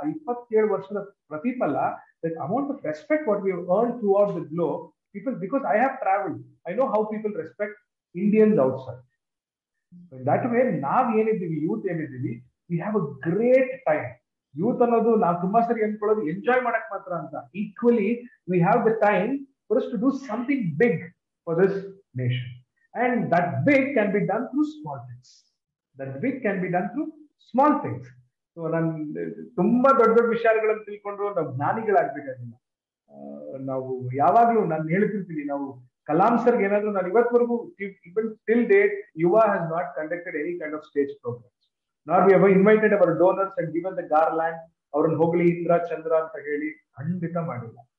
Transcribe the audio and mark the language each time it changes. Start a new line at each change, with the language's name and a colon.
English: 27 years ಪ್ರತಿಫಲ that amount of respect what we earn throughout the globe people, because I have travelled, I know how people respect Indians outside. That way
Kannada: ನಾವ್ ಏನಿದ್ದೀವಿ, youth ಏನಿದ್ದೀವಿ,
English: We have a great time.
Kannada: Youth ಅನ್ನೋದು ನಾವು ತುಂಬಾ ಸರಿ ಅನ್ಕೊಳ್ಳೋದು enjoy ಮಾಡಕ್ ಮಾತ್ರ ಅಂತ.
English: Equally we have the time for us to do something big for this nation. And that big can be done through small things. That big can be done through small things.
Kannada: So, ತುಂಬ ದೊಡ್ಡ ದೊಡ್ಡ ವಿಷಯಗಳನ್ನು ತಿಳ್ಕೊಂಡ್ರು ನಾವು ಜ್ಞಾನಿಗಳಾಗ್ಬೇಕಾಗಿಲ್ಲ. ನಾವು ಯಾವಾಗ್ಲೂ ನಾನು ಹೇಳ್ತಿರ್ತೀನಿ, ನಾವು Kalam sir ಏನಾದ್ರೂ ನಾನು ಇವತ್ವರೆಗೂ
English: Even till date Yuva has not conducted any kind of stage programmes. Not we have invited our donors and given the garland
Kannada: ಅವ್ರನ್ನ ಹೋಗ್ಲಿ ಇಂದ್ರ ಚಂದ್ರ ಅಂತ ಹೇಳಿ, ಖಂಡಿತ ಮಾಡಿಲ್ಲ.